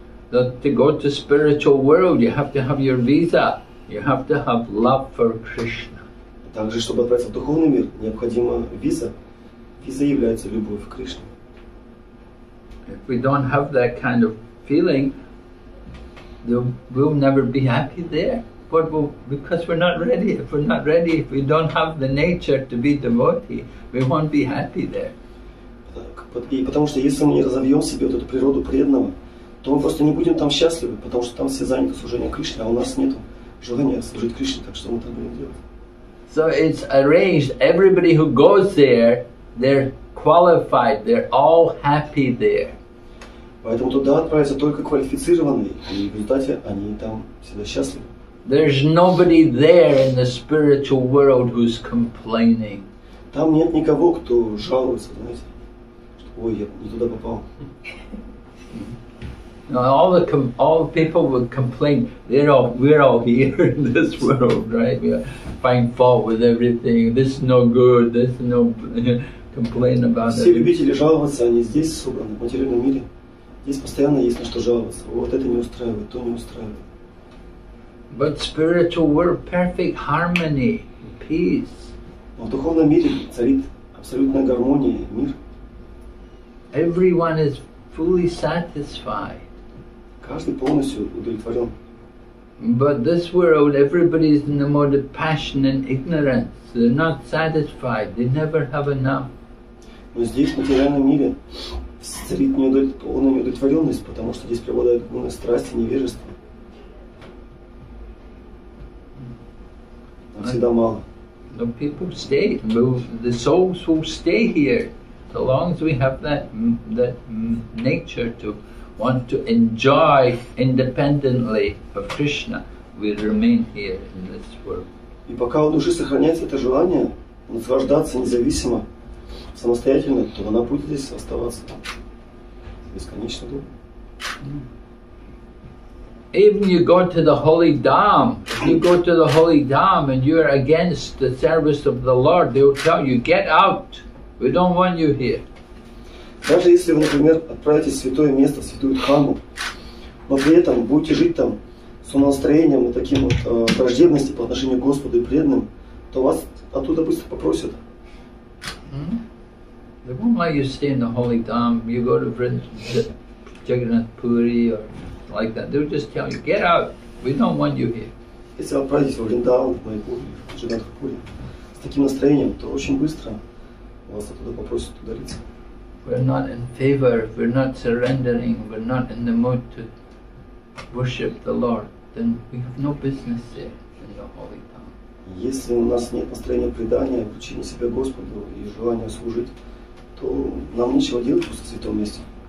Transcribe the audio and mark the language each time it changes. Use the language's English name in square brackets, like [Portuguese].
[English] That to go to spiritual world, you have to have your visa. You have to have love for Krishna. [Russian] Также, чтобы отправиться в духовный мир, необходима виза. Виза является любовь к Кришне. [English] If we don't have that kind of feeling, we'll never be happy there. But we'll, because we're not ready. If we're not ready, if we don't have the nature to be devotee, we won't be happy there. [Russian] И потому что если мы не разовьем себе вот эту природу преданного, то мы просто не будем там счастливы, потому что там все заняты служением Кришне, а у нас нет желания служить Кришне, так что мы там будем делать. [English] So it's arranged, everybody who goes there, they're qualified, they're all happy there. [Russian] Поэтому туда отправятся только квалифицированные, и в результате они там всегда счастливы. [English] There's nobody there in the spiritual world who's complaining. [Russian] Там нет никого, кто жалуется, знаете, что ой, я не туда попал. [English] Now all the people would complain. We're all here in this world, right? We find fault with everything. This is no good. This is no complain about it. [Russian] Все любители жаловаться, они здесь собраны, в материальном мире. Здесь постоянно есть на что жаловаться. Вот это не устраивает, то не устраивает. [English] But spiritual world, perfect harmony, peace. [Russian] Но в духовном мире царит абсолютная гармония, мир. [English] Everyone is fully satisfied. [Russian] Каждый полностью удовлетворен. [English] But this world, everybody is in the mode of passion and ignorance. They're not satisfied. They never have enough. [Russian] Но здесь, в материальном мире, царит полная неудовлетворенность, потому что здесь преобладают гуны страсти, невежество. Нам всегда мало. [English] The people stay. The souls will stay here, so long as we have that nature to want to enjoy independently of Krishna, we remain here in this world. [Russian] И пока у души сохраняется это желание наслаждаться независимо, самостоятельно, то она будет здесь оставаться бесконечно долго. [English] Even you go to the holy dham, you go to the holy dham and you are against the service of the Lord, they will tell you, get out, we don't want you here. [Russian] Даже если вы, например, отправитесь в святое место, в святую Дхаму, но при этом будете жить там с умонастроением и таким вот враждебностью по отношению к Господу и преданным, то вас оттуда быстро попросят. [English] They won't let you stay in the holy dham, you go to Jagannath Puri or like that. They'll just tell you, get out, we don't want you here. [Russian] Если вы отправитесь в Вриндаван, в Майкур, в Джанатхапури, с таким настроением, то очень быстро вас оттуда попросят удалиться. [English] We're not in favor, we're not surrendering, we're not in the mood to worship the Lord, then we have no business there in the holy town. [Russian] Если у нас нет настроения предания, подчинения себя Господу и желания служить, то нам нечего делать в святом месте.